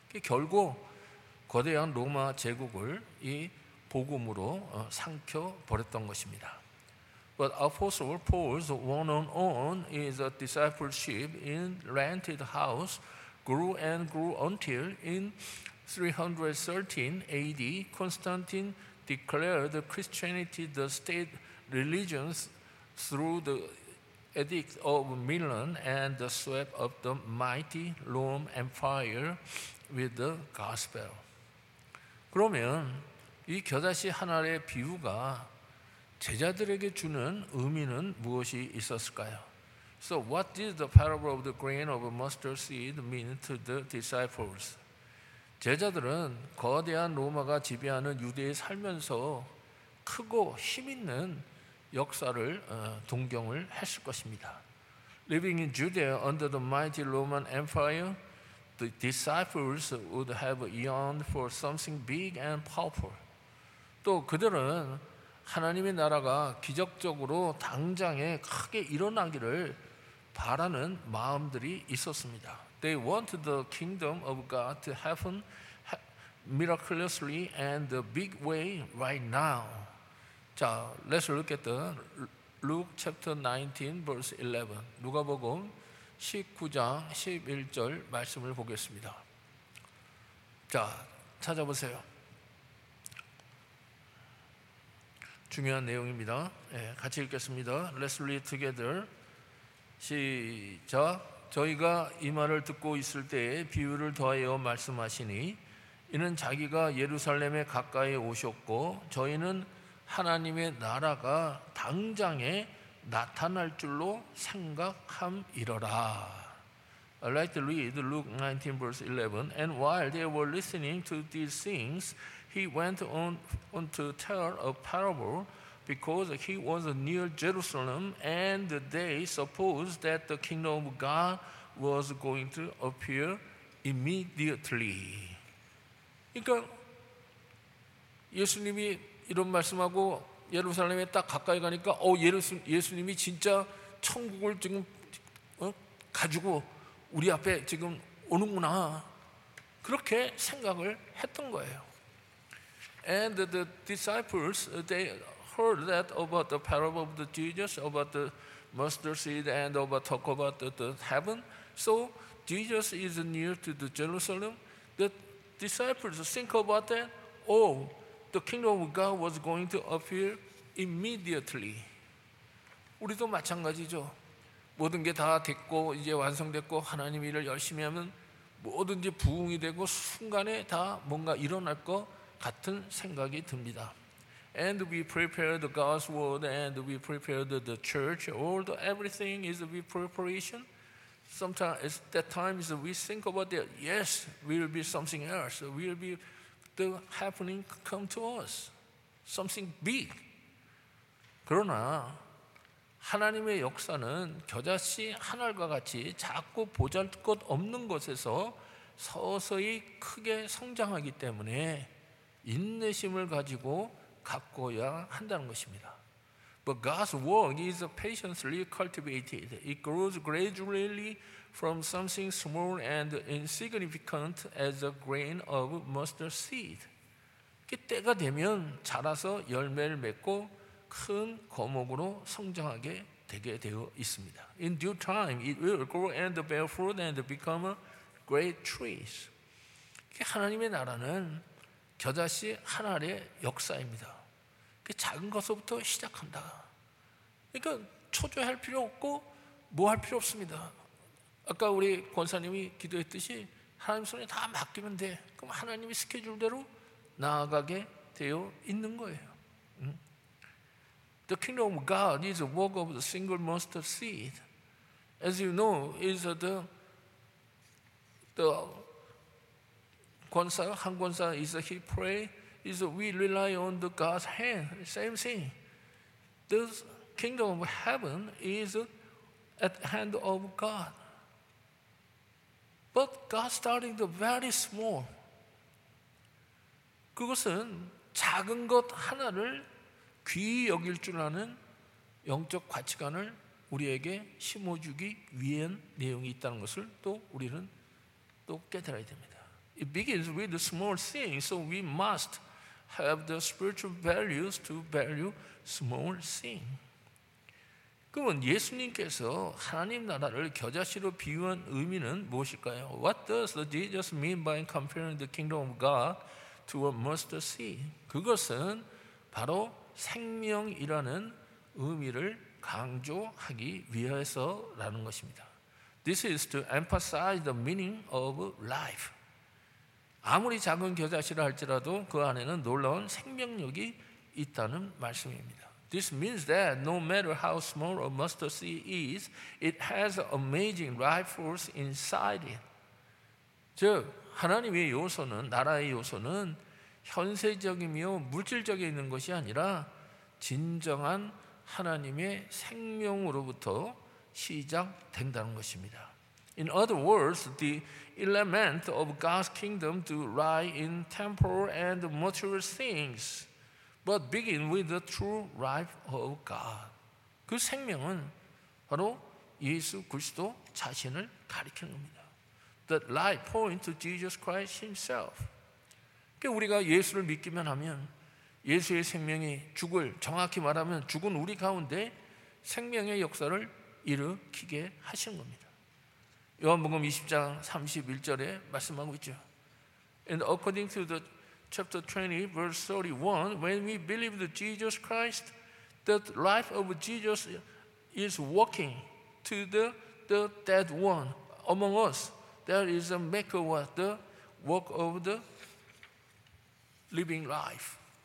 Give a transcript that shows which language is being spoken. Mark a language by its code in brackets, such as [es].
[ko] 결국 거대한 로마 제국을 이 복음으로 삼켜 버렸던 것입니다. [en] But Apostle Paul's one-on-one is a discipleship in rented house grew and grew until in 313 AD Constantine declared Christianity the state religion through the Edict of Milan and the sweep of the mighty Rome Empire with the gospel. [ko] 그러면 이 겨자씨 한 알의 비유가 제자들에게 주는 의미는 무엇이 있었을까요? [en] So what did the parable of the grain of mustard seed mean to the disciples? [ko] 제자들은 거대한 로마가 지배하는 유대에 살면서 크고 힘있는 역사를 동경을 했을 것입니다. [en] Living in Judea under the mighty Roman Empire, the disciples would have yearned for something big and powerful. [ko] 또 그들은 하나님의 나라가 기적적으로 당장에 크게 일어나기를 바라는 마음들이 있었습니다. [en] They want the kingdom of God to happen miraculously and a big way right now. 자, let's look at the Luke chapter 19 verse 11. [ko] 누가복음 19장 11절 말씀을 보겠습니다. 자, 찾아보세요. 중요한 내용입니다. 네, 같이 읽겠습니다. [en] Let's read together. [ko] 시작. 저희가 이 말을 듣고 있을 때에 비유를 더하여 말씀하시니 이는 자기가 예루살렘에 가까이 오셨고 저희는 하나님의 나라가 당장에 나타날 줄로 생각함이러라. [en] I'd like to read Luke 19 verse 11. And while they were listening to these things, he went on to tell a parable because he was near Jerusalem and they supposed that the kingdom of God was going to appear immediately. [ko] 그러니까 예수님이 이런 말씀하고 예루살렘에 딱 가까이 가니까 예수님이 진짜 천국을 지금 가지고 우리 앞에 지금 오는구나 그렇게 생각을 했던 거예요. [en] And the disciples, they heard that about the parable of the Jesus, about the mustard seed, and about talk about the heaven. So Jesus is near to the Jerusalem. The disciples think about that. Oh, the kingdom of God was going to appear immediately. [ko] 우리도 마찬가지죠. 모든 게 다 됐고 이제 완성됐고 하나님 일을 열심히 하면 뭐든지 부흥이 되고 순간에 다 뭔가 일어날 거. 같은 생각이 듭니다. [en] And we prepared the God's word and we prepared the church. All the everything is a preparation. Sometimes at that time we think about that. Yes, will be something else. Will be the happening come to us. Something big. [ko] 그러나 하나님의 역사는 겨자씨 한 알과 같이 자꾸 보잘것없는 것에서 서서히 크게 성장하기 때문에 인내심을 가지고 갖고야 한다는 것입니다. [en] But God's work is patiently cultivated. It grows gradually from something small and insignificant as a grain of mustard seed. [ko] 때가 되면 자라서 열매를 맺고 큰 거목으로 성장하게 되게 되어 있습니다. [en] In due time, it will grow and bear fruit and become a great trees. [ko] 하나님의 나라는 겨자씨 한 알의 역사입니다. 작은 것부터 시작한다. 그러니까 초조할 필요 없고 뭐 할 필요 없습니다. 아까 우리 권사님이 기도했듯이 하나님 손에 다 맡기면 돼. 그럼 하나님이 스케줄대로 나아가게 되어 있는 거예요. [en] The kingdom of God is a work of the single mustard seed. As you know, is the 권사, 한 권사 is he pray is we rely on the God's hand. Same thing. The kingdom of heaven is at the hand of God. But God started very small. [ko] 그것은 작은 것 하나를 귀히 여길 줄 아는 영적 가치관을 우리에게 심어주기 위한 내용이 있다는 것을 또 우리는 또 깨달아야 됩니다. [en] It begins with the small things, so we must have the spiritual values to value small things. [ko] 그러면 예수님께서 하나님 나라를 겨자씨로 비유한 의미는 무엇일까요? [en] What does Jesus mean by comparing the kingdom of God to a mustard seed? [ko] 그것은 바로 생명이라는 의미를 강조하기 위해서라는 것입니다. [en] This is to emphasize the meaning of life. [ko] 아무리 작은 겨자씨라 할지라도 그 안에는 놀라운 생명력이 있다는 말씀입니다. [en] This means that no matter how small a mustard seed is, it has amazing life force inside it. [ko] 즉, 하나님의 요소는, 나라의 요소는 현세적이며 물질적에 있는 것이 아니라 진정한 하나님의 생명으로부터 시작된다는 것입니다. [en] In other words, the element of God's kingdom to lie in temporal and material things. But begin with the true life of God. [ko] 그 생명은 바로 예수 그리스도 자신을 가리키는 겁니다. [en] That life points to Jesus Christ himself. [ko] 그러니까 우리가 예수를 믿기만 하면 예수의 생명이 죽을, 정확히 말하면 죽은 우리 가운데 생명의 역사를 일으키게 하신 겁니다. 요한복음 20장 31절에 말씀하고 있죠. [en] And according to the Chapter 20, verse 31, when we believe in Jesus Christ, the life of Jesus is walking to the dead one among us. There is a maker of us, the work of the living life.